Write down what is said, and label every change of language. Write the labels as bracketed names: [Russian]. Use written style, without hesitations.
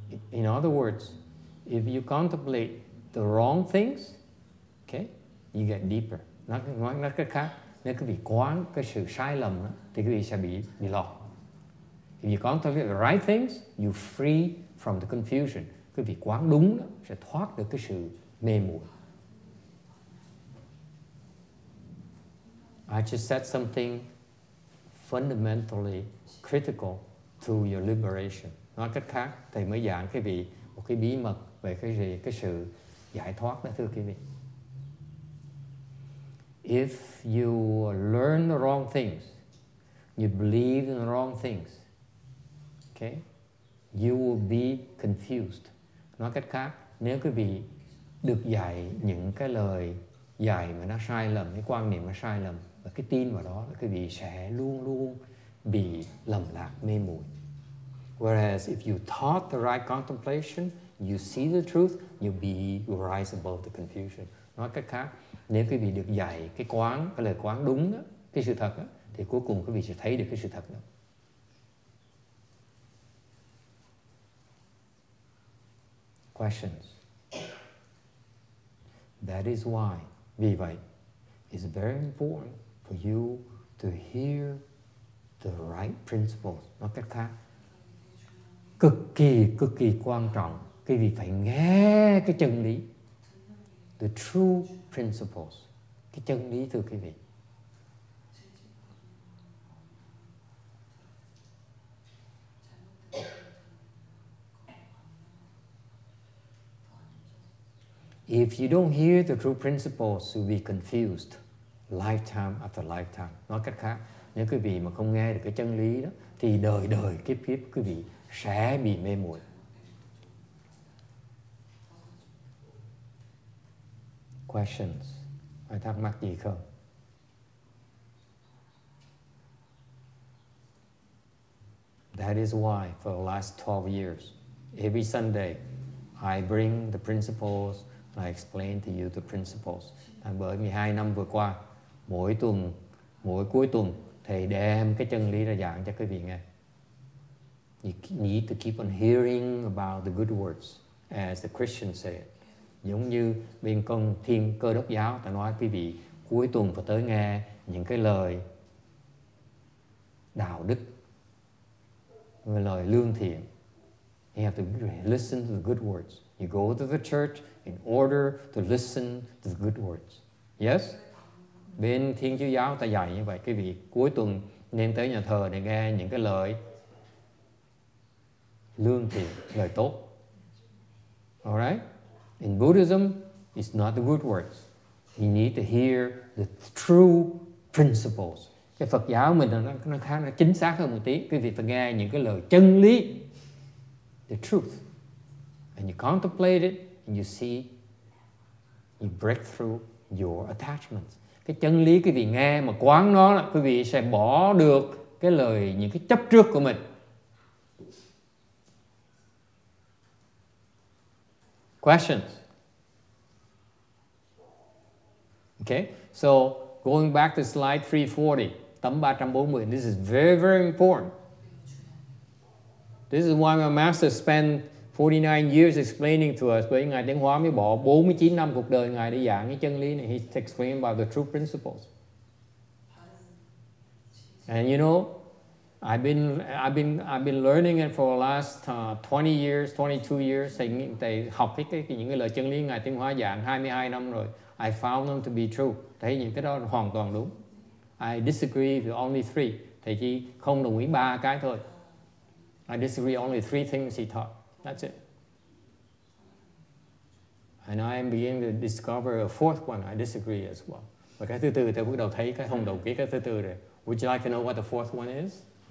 [English] In other words, if you contemplate the wrong things, okay, you get deeper. [Vietnamese] Nói cái khác, nếu quý vị quán cái sự sai lầm đó, thì quý vị sẽ bị lọt. [English] If you contemplate the right things, you're free from the confusion. [Vietnamese] Quý vị quán đúng đó, sẽ thoát được cái sự mê muội. [English] I just said something fundamentally critical to your liberation. [Vietnamese] Nói cách khác, thầy mới giảng quý vị một cái bí mật về cái gì, cái sự giải thoát đó, thưa quý vị. [English] If you learn the wrong things, you believe in the wrong things, okay, you will be confused. [Vietnamese] Nói cách khác, nếu quý vị được dạy những cái lời dạy mà nó sai lầm, cái quan niệm mà sai lầm, và cái tin vào đó, quý vị sẽ luôn luôn bị lầm lạc, mê muội. [English] Whereas if you taught the right contemplation, you see the truth, you rise above the confusion. [Vietnamese] Nói cách khác, nếu quý vị được dạy cái quán, cái lời quán đúng đó, cái sự thật đó, thì cuối cùng quý vị sẽ thấy được cái sự thật đó. [English] Questions? That is why, [Vietnamese] vì vậy, [English] it's very important for you to hear the right principles. [Vietnamese] Nói cách khác, cực kỳ quan trọng, quý vị phải nghe cái chân lý. [English] The true principles, [Vietnamese] cái chân lý thưa quý vị. [English] If you don't hear the true principles, you'll be confused lifetime after lifetime. [Vietnamese] Nói cách khác, nếu quý vị mà không nghe được cái chân lý đó, thì đời đời kiếp kiếp quý vị sẽ bị mê muội. [English] Questions? [Vietnamese] Ai thắc mắc gì không? [English] That is why for the last 12 years, every Sunday, I bring the principles and I explain to you the principles. [Vietnamese] Thành bởi 12 năm vừa qua, mỗi tuần, mỗi cuối tuần, thầy đem cái chân lý ra giảng cho quý vị nghe. [English] You need to keep on hearing about the good words, as the Christians say it. [Vietnamese] Giống như bên con thiên cơ đốc giáo, ta nói quý vị cuối tuần phải tới nghe những cái lời đạo đức, lời lương thiện. [English] You have to listen to the good words. You go to the church in order to listen to the good words. Yes? [Vietnamese] Bên thiên chúa giáo ta dạy như vậy, quý vị cuối tuần nên tới nhà thờ để nghe những cái lời lương thiện, lời tốt. [English] All right? In Buddhism, it's not the good words. You need to hear the true principles. [Vietnamese] Cái Phật giáo mình nó khá là chính xác hơn một tí. Quý vị phải nghe những cái lời chân lý. [English] the truth. And you contemplate it, and you see, you break through your attachments. [Vietnamese] Cái chân lý quý vị nghe mà quán nó là quý vị sẽ bỏ được cái lời, những cái chấp trước của mình. [English] Questions? Okay, so going back to slide 340, [Vietnamese] tấm 340, [English] this is very, very important. This is why my master spent 49 years explaining to us, [Vietnamese] bởi Ngài Tiến Hóa mới bỏ 49 năm cuộc đời Ngài để giảng cái chân lý này. [English] He explained about the true principles. And you know, I've been learning it for the last 20 years, 22 years. [Vietnamese] Thầy học cái những cái lời chân lý Ngài Tiến Hóa giảng 22 năm rồi. [English] I found them to be true. [Vietnamese] Thấy những cái đó hoàn toàn đúng. [English] I disagree with only three. [Vietnamese] Thầy chỉ không đồng ý ba cái thôi. [English] I disagree only three things he taught. That's it. And I am beginning to discover a fourth one. I disagree as well. [Vietnamese] Và cái thứ tư, tôi bắt đầu thấy cái không đồng ý cái thứ tư rồi. [English] Would you like to know what the fourth one is?